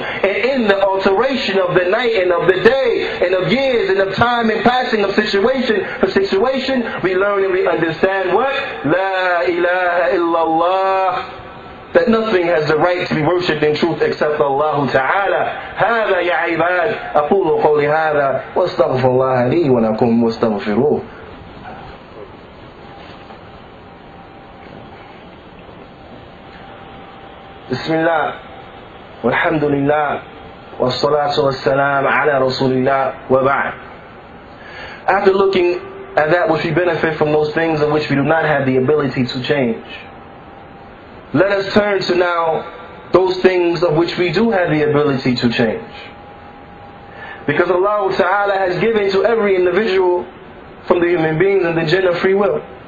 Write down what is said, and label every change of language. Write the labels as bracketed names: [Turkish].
[English] And in the alteration of the night and of the day and of years and of time and passing of situation for situation, we learn and we understand what? La ilaha illallah. That nothing has the right to be worshipped in truth except Allah Ta'ala. [Arabic] هذا يا عباد أقول قولي هذا واستغفر الله لي ولكم واستغفروه. بسم الله والحمد لله والصلاة والسلام على رسول الله وبعد. [English] After looking at that which we benefit from those things of which we do not have the ability to change, let us turn to now those things of which we do have the ability to change. Because Allah Ta'ala has given to every individual from the human beings and the jinn of free will.